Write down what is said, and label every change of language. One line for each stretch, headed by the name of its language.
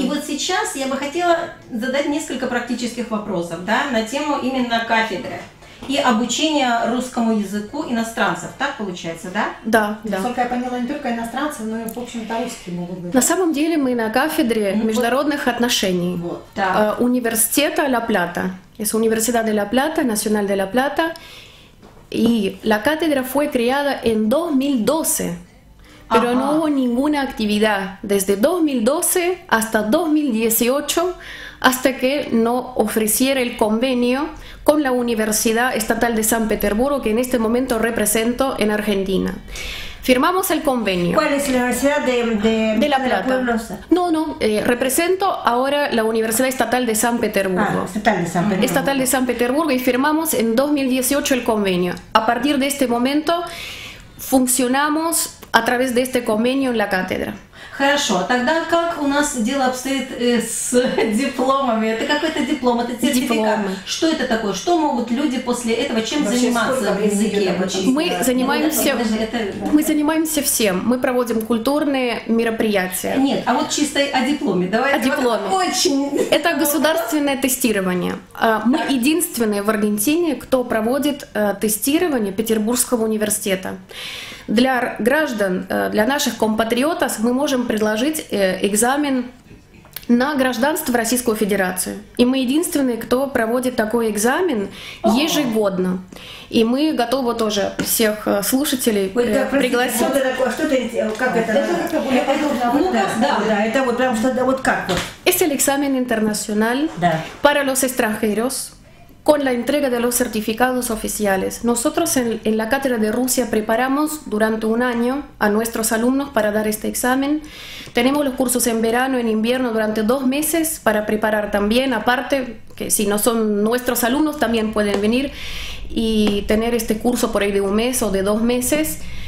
Russian: И вот сейчас я бы хотела задать несколько практических вопросов, да, на тему именно кафедры и обучение русскому языку иностранцев, так получается, да? Да, насколько я поняла, не только иностранцев, но и, в общем-то, русские могут быть. На самом деле мы на кафедре международных отношений университета Ла Плата.
Spanish: Es Universidad de La Plata, Nacional de La Plata. Y la cátedra fue creada en 2012. Pero no hubo ninguna actividad desde 2012 hasta 2018, hasta que no ofreciera el convenio con la Universidad Estatal de San Petersburgo, que en este momento represento en Argentina. Firmamos el convenio. ¿Cuál es la Universidad de La Plata? Represento ahora la Universidad Estatal de San Petersburgo. Estatal de San Petersburgo, y firmamos en 2018 el convenio. A partir de este momento funcionamos a través de este convenio en la cátedra.
Russian: Хорошо, тогда как у нас дело обстоит с дипломами? Это какой-то диплом, это сертификат. Дипломы. Что это такое? Что могут люди после этого, чем вообще заниматься в языке? Мы занимаемся всем. Мы проводим культурные мероприятия. Нет, а вот чисто о дипломе. Давайте. О дипломе. Это государственное тестирование. Мы единственные в Аргентине, кто проводит тестирование Петербургского университета. Для граждан, для наших компатриотов, мы можем предложить экзамен на гражданство в Российскую Федерацию. И мы единственные, кто проводит такой экзамен ежегодно. И мы готовы тоже всех слушателей пригласить. Что это такое? Как это? Это как-то более подробно. Это вот прям что-то, вот как вот?
Spanish: Es есть el examen internacional para los extranjeros con la entrega de los certificados oficiales. Nosotros en la cátedra de Rusia preparamos durante un año a nuestros alumnos para dar este examen. Tenemos los cursos en verano, en invierno, durante dos meses para preparar también, aparte, que si no son nuestros alumnos también pueden venir y tener este curso por ahí de un mes o de dos meses.